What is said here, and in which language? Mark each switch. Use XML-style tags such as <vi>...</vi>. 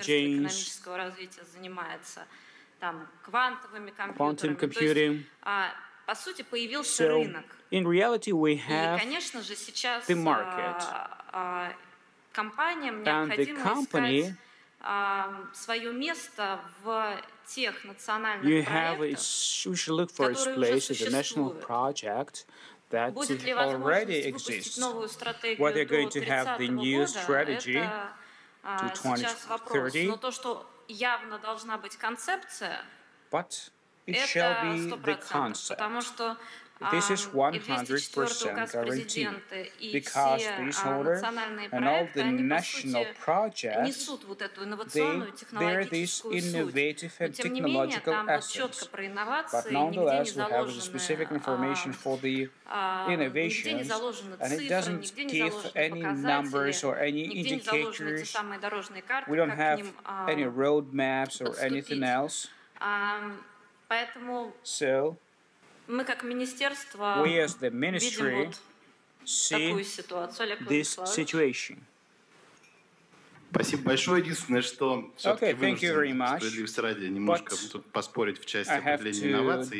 <ru>технического развития занимается там квантовыми компьютерами. По сути, появился рынок.</ru> <en>In reality, we have</en> <ru>и, конечно же, сейчас компаниям необходимо искать свое место в тех национальных проектах,</ru> <en>we should look for its place as a national project that already exists. What they're going to have the new strategy to 2030. Но то, что явно должна быть концепция, but it shall be the concept. This is 100% guaranteed, because this order and all the national projects, they bear this innovative and technological essence. But nonetheless, we have a specific information for the innovation, and it doesn't give any numbers or any indicators. We don't have any roadmaps or anything else. So,</en> <ru>мы как министерство видим вот такую ситуацию, Олег Владиславович. Спасибо большое. Единственное, что все-таки вынуждены справедливости ради немножко тут поспорить в части определения инноваций.</ru>